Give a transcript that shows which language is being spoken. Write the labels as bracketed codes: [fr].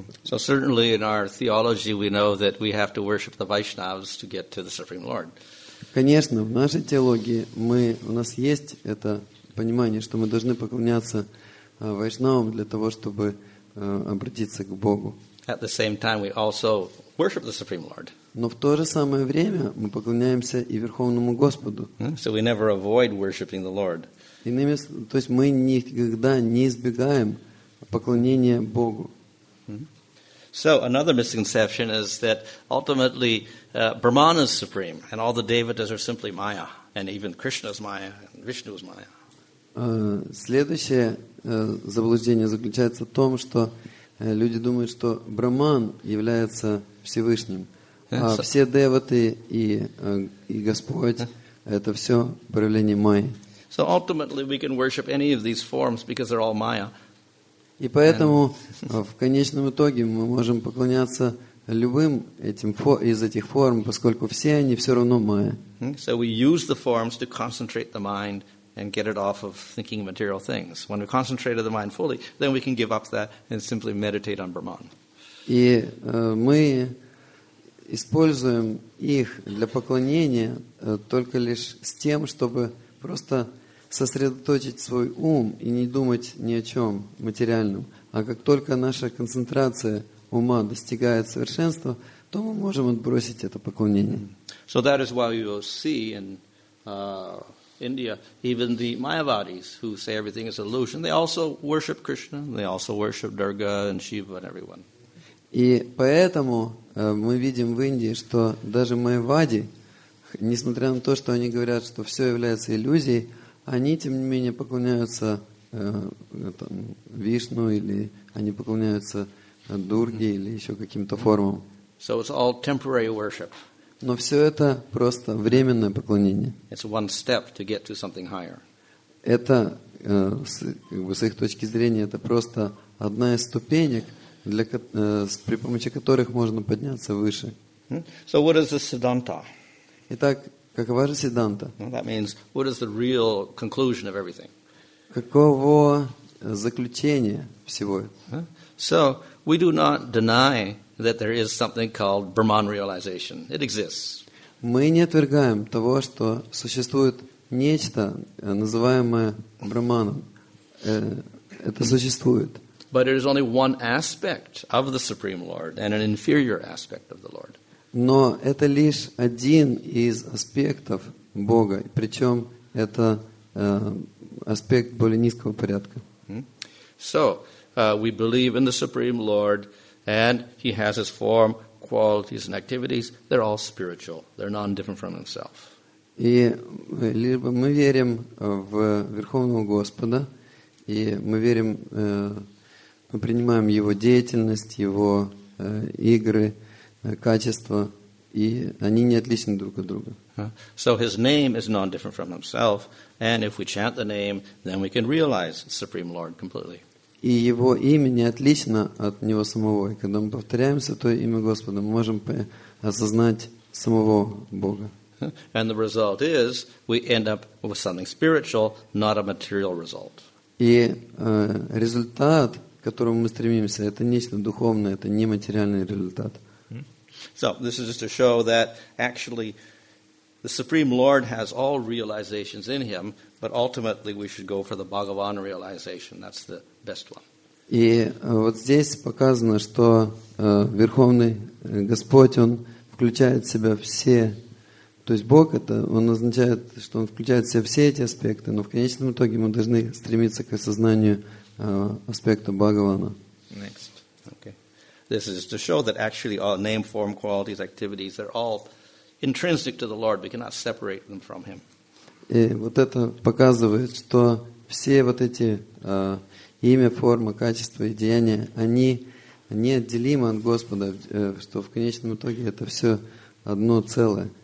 [en] So certainly in our theology we know that we have to worship the Vaishnavas to get to the Supreme Lord. [ru] Конечно, в нашей теологии у нас есть это понимание, что мы должны поклоняться Вайшнавам для того, чтобы обратиться к Богу. [en] At the same time, we also worship the Supreme Lord. [ru] Но в то же самое время мы поклоняемся и Верховному Господу. [en] So we never avoid worshiping the Lord. [ru] Иными словами, то есть мы никогда не избегаем поклонения Богу. [en] So another misconception is that ultimately Brahman is supreme and all the devatas are simply maya, and even Krishna is maya and Vishnu is maya. [ru] Следующее заблуждение заключается в том, что люди думают, что Брахман является Всевышним, все деваты и Господь это все проявление майи. [en] So ultimately we can worship any of these forms because they're all Maya. [ru] И поэтому в конечном итоге мы можем поклоняться любым этим из этих форм, поскольку все они все равно майя. [en] So we use the forms to concentrate the mind and get it off of thinking material things. When we concentrate the mind fully, then we can give up that and simply meditate on Brahman. [ru] И мы используем их для поклонения только лишь с тем, чтобы просто сосредоточить свой ум и не думать ни о чем материальном. А как только наша концентрация ума достигает совершенства, то мы можем отбросить это поклонение. [en] So that is why you will see in India, even the Mayavadis, who say everything is illusion, they also worship Krishna, they also worship Durga and Shiva and everyone. [ru] И поэтому мы видим в Индии, что даже Майавади, несмотря на то, что они говорят, что все является иллюзией, они, тем не менее, поклоняются там, Вишну, или они поклоняются Дурге, или еще каким-то формам. [en] So it's all temporary worship. [ru] Но все это просто временное поклонение. [en] It's one step to get to something higher. [ru] Это, как бы, с их точки зрения, это просто одна из ступенек, при помощи которых можно подняться выше. [en] So what is the siddhanta? [ru] Итак, какова же сиддханта? [en] Well, that means what is the real conclusion of everything? [ru] Каково заключение всего? [en] So we do not deny that there is something called Brahman realization. It exists. [ru] Мы не отвергаем того, что существует нечто, называемое Брахманом. Это существует. [en] But it is only one aspect of the Supreme Lord and an inferior aspect of the Lord. [ru] Но это лишь один из аспектов Бога, причем это аспект более низкого порядка. [en] So, we believe in the Supreme Lord and he has his form, qualities and activities. They're all spiritual. They're non-different from himself. [ru] И либо мы верим в Верховного Господа, и мы верим мы принимаем его деятельность, его игры, качества, и они не отличны друг от друга. [en] So his name is non-different from himself, and if we chant the name, then we can realize the Supreme Lord completely. [ru] И его имя не отлично от него самого, и когда мы повторяем святое имя Господа, мы можем осознать самого Бога. [en] And the result is we end up with something spiritual, not a material result. [ru] И результат, к которому мы стремимся, это нечто духовное, это не материальный результат. [en] So, this is just to show that actually the Supreme Lord has all realizations in him, but ultimately we should go for the Bhagavan realization. That's the best one. [ru] И вот здесь показано, что Верховный Господь, он включает в себя все, то есть Бог, это он означает, что он включает в себя все эти аспекты, но в конечном итоге мы должны стремиться к осознанию аспекта Бхагавана. [en] Next. Okay. This is to show that actually all name, form, qualities, activities, they're all intrinsic to the Lord. We cannot separate them from him. [ru] И вот это показывает, что все вот эти имя, форма, качество и деяния, они неотделимы от Господа, что в конечном итоге это все одно целое.